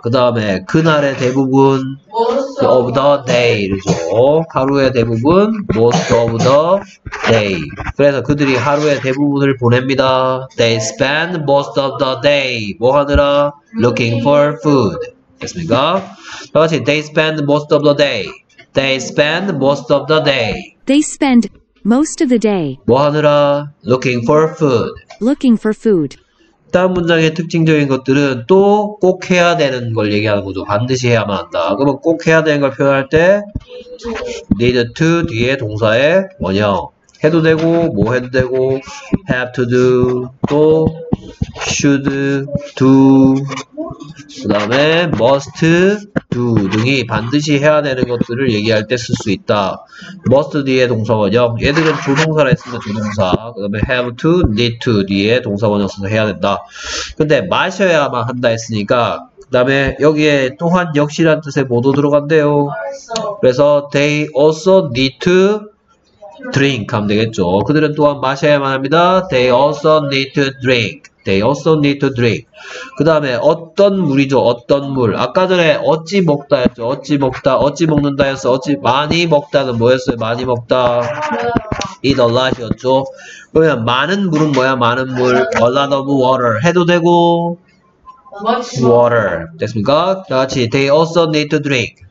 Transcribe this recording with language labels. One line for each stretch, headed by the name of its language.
Korean: 그 다음에 그날의 대부분
English: most of the day죠.
Korean: 하루의 대부분
English: most of the day.
Korean: 그래서 그들이 하루의 대부분을 보냅니다.
English: They spend most of the day
Korean: 뭐 하느라?
English: Looking for food. 됐습니까?
Korean: 다 같이
English: They spend most of the day. They spend most of the day. They spend most of the day
Korean: 뭐 하느라?
English: Looking for food. Looking for food.
Korean: 다음 문장의 특징적인 것들은 또 꼭 해야 되는 걸 얘기하는 거죠. 반드시 해야만 한다. 그러면 꼭 해야 되는 걸 표현할 때 need to 뒤에 동사의 원형 해도 되고 뭐 해도 되고 have to do 또 should do 그 다음에 must do 등이 반드시 해야 되는 것들을 얘기할 때 쓸 수 있다. must 뒤에 동사원형 얘들은 조동사라 했으면 조동사 그 다음에 have to, need to 뒤에 동사원형 써서 해야 된다. 근데 마셔야만 한다 했으니까 그 다음에 여기에 또한 역시란 뜻의 모두 들어간대요.
English: 그래서 they also need to drink
Korean: 하면 되겠죠. 그들은 또한 마셔야만 합니다.
English: they also need to drink. They also need to drink.
Korean: 그 다음에 어떤 물이죠. 어떤 물. 아까 전에 어찌 먹다 했죠. 어찌 먹다. 어찌 먹는다 했어. 어찌 많이 먹다는 뭐였어요. 많이 먹다.
English: eat a lot이었죠.
Korean: 그러면 많은 물은 뭐야. 많은 물.
English: a lot of water.
Korean: 해도 되고.
English: much water. 됐습니까.
Korean: 다 같이
English: they also need to drink.